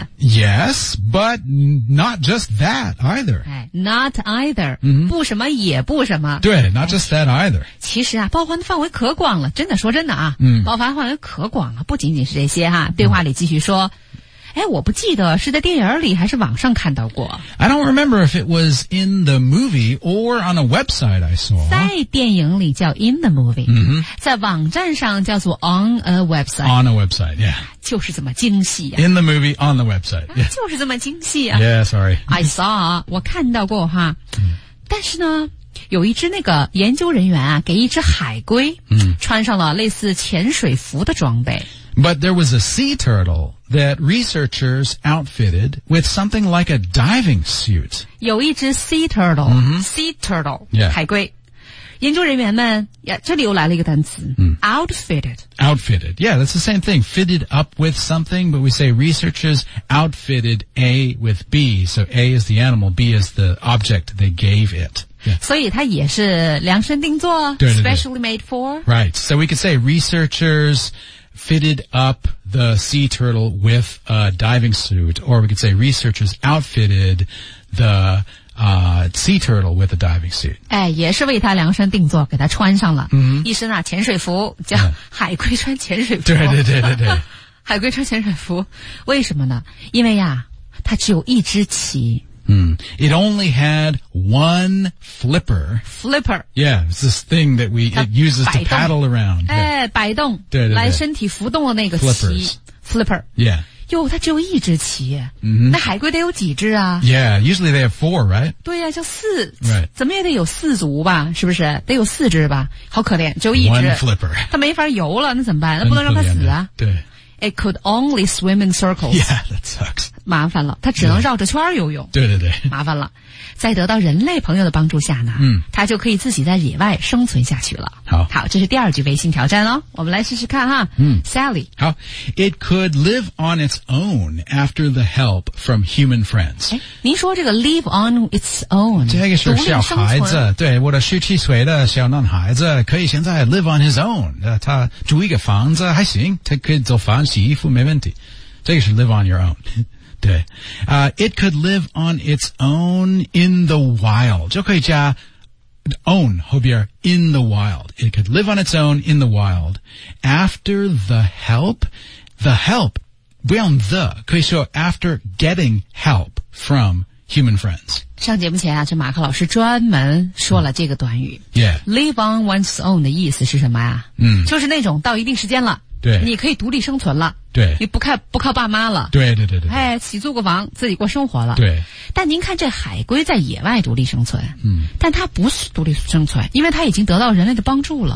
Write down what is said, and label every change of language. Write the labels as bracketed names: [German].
[English] Yes, but not just that either. Not either.、 [Chinese] 不什么也不什么。 [English] 对 not just that either. [Chinese] 其实啊包含的范围可广了真的说真的啊、包含范围可广了不仅仅是这些哈对话里继续说。哎我不记得是在电影里还是网上看到过。 [English] I don't remember if it was in the movie or on a website I saw. [Chinese] 在电影里叫 [English] in the movie.、 [Chinese] 在网站上叫做 [English] on a website. On a website, yeah. [Chinese] 就是这么精细啊。 [English] In the movie, on the website.、 [Chinese] 就是这么精细啊。 [English] Yeah, sorry. I saw, [Chinese] 我看到过哈。但是呢有一只那个研究人员啊，给一只海龟穿上了类似潜水服的装备。 [English] But there was a sea turtle that researchers outfitted with something like a diving suit. [Chinese] 有一只 [English] sea turtle,、mm-hmm. sea turtle,、 yeah. [Chinese] 海龟。研究人员们，这里又来了一个单词、outfitted. [English] Outfitted, yeah, that's the same thing. Fitted up with something, but we say researchers outfitted A with B. So A is the animal, B is the object they gave it.、Yeah. [Chinese] 所以它也是量身定做 [English] specially made for. Right, so we could say researchersfitted up the sea turtle with a diving suit, or we could say researchers outfitted the, sea turtle with a diving suit. [Chinese] 哎，也是为他量身定做，给他穿上了、 mm-hmm. 一身啊潜水服，叫海龟穿潜水服。对对对对对，海龟穿潜水服，为什么呢？因为呀，它只有一只鳍。 [English] It only had one flipper. Flipper. Yeah, it's this thing that it uses to paddle around. [Chinese] 哎，摆动，对对对，来身体浮动的那个鳍。Flipper. [English] Yeah. [Chinese] 哟，它只有一只鳍。 Mm-hmm. 那海龟得有几只啊？ [English] Yeah, usually they have four, right? [Chinese] 对呀、啊，就四。 [English] Right. [Chinese] 怎么也得有四足吧？是不是？得有四只吧？好可怜，只有一只。 [English] One flipper. [Chinese] 它没法游了，那怎么办？那不能让它死啊。对。 [English] It could only swim in circles. Yeah, that sucks. [Chinese] 麻烦了，它只能绕着圈游泳。对对对，麻烦了。在得到人类朋友的帮助下呢，它就可以自己在野外生存下去了。好，好，这是第二句微信挑战哦，我们来试试看哈。 [English] Sally. 好 ，It could live on its own after the help from human friends. [Chinese] 哎，您说这个 [English] live on its own， [Chinese] 这个是小孩子，对，我的十七岁的小男孩子可以现在 [English] live on his own， [Chinese] 他住一个房子还行，他可以做饭。洗衣服没问题，这个是 [English] live on your own， [Chinese] 对。 [English] It could live on its own in the wild， [Chinese] 就可以加 [English] own [Chinese] 后边 [English] in the wild。 It could live on its own in the wild after the help [Chinese] 不用 [English] the， [Chinese] 可以说 [English] after getting help from human friends。 [Chinese] 上节目前啊，这马克老师专门说了这个短语。 [English] Live on one's own [Chinese] 的意思是什么呀？就是那种到一定时间了。对，你可以独立生存了。对，你不靠爸妈了。对对对对，哎，起租个房，自己过生活了。对，但您看这海龟在野外独立生存，但它不是独立生存，因为它已经得到人类的帮助了。